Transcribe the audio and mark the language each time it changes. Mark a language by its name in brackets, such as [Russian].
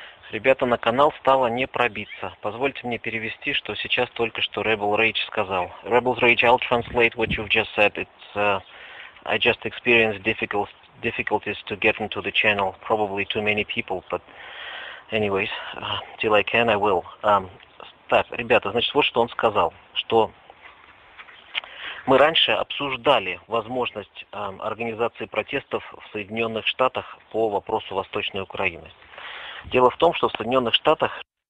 [Russian] Ребята, на канал стало не пробиться. Позвольте мне перевести, что сейчас только что Rebel Rage сказал. [English] Rebel Rage, I'll translate what you've just said. It's I just experienced difficulties to get into the channel. Probably too many people, but anyways, till I can, I will. [Russian] Так, ребята, значит, вот что он сказал, что мы раньше обсуждали возможность организации протестов в Соединенных Штатах по вопросу Восточной Украины. Дело в том, что в Соединенных Штатах